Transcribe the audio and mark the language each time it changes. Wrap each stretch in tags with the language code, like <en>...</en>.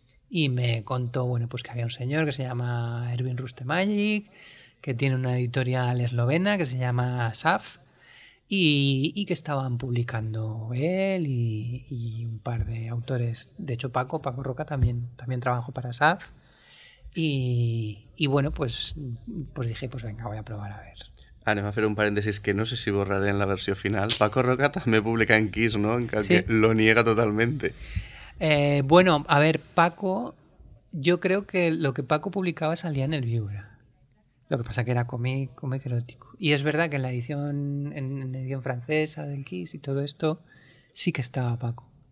<es>y me contó, bueno, pues que había un señor que se llama Erwin Rustemagic, que tiene una editorial eslovena que se llama SAF y que estaban publicando él y un par de autores, de hecho Paco Roca también trabajó para SAF y bueno, pues dije, pues venga, voy a probar a ver.</es> <ca>Anem a fer un parèntesis que no sé si borraré en la versió final. Paco Roca també publica en Kiss, no? En cas sí.</ca> <es>Que lo niega totalmente. Bueno, a ver, Paco... Yo creo que lo que Paco publicaba salía en el Viura. Lo que pasa que era cómic erótico. Y es verdad que en la edición en edición francesa del Kiss y todo esto sí que estaba Paco.</es>